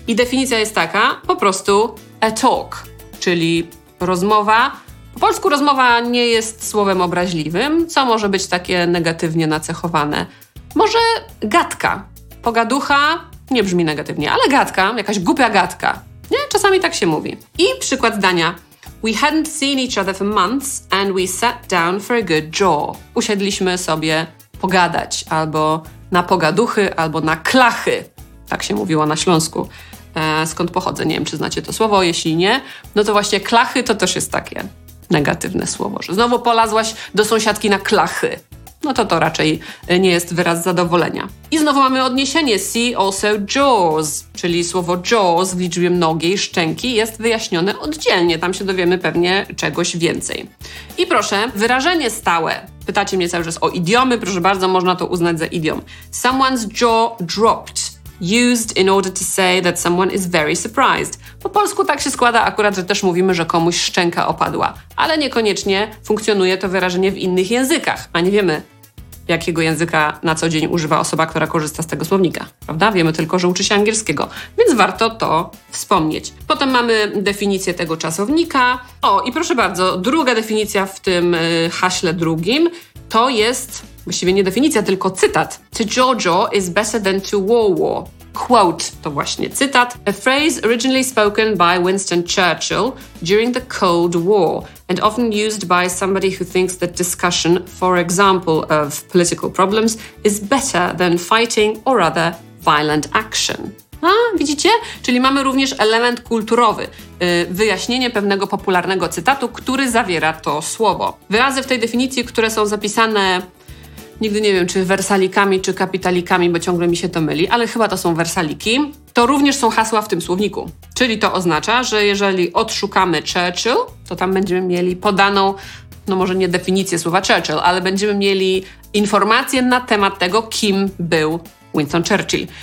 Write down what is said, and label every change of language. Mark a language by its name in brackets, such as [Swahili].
[Polish] I definicja jest taka, po prostu [English] a talk, [Polish] czyli rozmowa. Po polsku rozmowa nie jest słowem obraźliwym. Co może być takie negatywnie nacechowane? Może gadka. Pogaducha nie brzmi negatywnie, ale gadka, jakaś głupia gadka. Nie? Czasami tak się mówi. I przykład zdania. [English] We hadn't seen each other for months and we sat down for a good jaw. [Polish] Usiedliśmy sobie pogadać, albo na pogaduchy, albo na klachy. Tak się mówiło na Śląsku. Skąd pochodzę? Nie wiem, czy znacie to słowo. Jeśli nie, no to właśnie klachy to też jest takie negatywne słowo, że znowu polazłaś do sąsiadki na klachy. No to to raczej nie jest wyraz zadowolenia. I znowu mamy odniesienie [English] see also jaws, [Polish] czyli słowo jaws w liczbie mnogiej szczęki jest wyjaśnione oddzielnie. Tam się dowiemy pewnie czegoś więcej. I proszę, wyrażenie stałe. Pytacie mnie cały czas o idiomy. Proszę bardzo, można to uznać za idiom. [English] Someone's jaw dropped. Used in order to say that someone is very surprised. [Polish] Po polsku tak się składa akurat, że też mówimy, że komuś szczęka opadła. Ale niekoniecznie funkcjonuje to wyrażenie w innych językach. A nie wiemy, jakiego języka na co dzień używa osoba, która korzysta z tego słownika. Prawda? Wiemy tylko, że uczy się angielskiego. Więc warto to wspomnieć. Potem mamy definicję tego czasownika. O, i proszę bardzo, druga definicja w tym haśle drugim to jest... Właściwie nie definicja, tylko cytat. [English] To Jojo is better than to Wo-Wo. Quote, [Polish] to właśnie cytat. [English] A phrase originally spoken by Winston Churchill during the Cold War and often used by somebody who thinks that discussion, for example, of political problems is better than fighting or other violent action. [Polish] A, widzicie? Czyli mamy również element kulturowy. Wyjaśnienie pewnego popularnego cytatu, który zawiera to słowo. Wyrazy w tej definicji, które są zapisane... Nigdy nie wiem, czy wersalikami, czy kapitalikami, bo ciągle mi się to myli, ale chyba to są wersaliki. To również są hasła w tym słowniku. Czyli to oznacza, że jeżeli odszukamy Churchill, to tam będziemy mieli podaną, no może nie definicję słowa Churchill, ale będziemy mieli informację na temat tego, kim był Winston Churchill.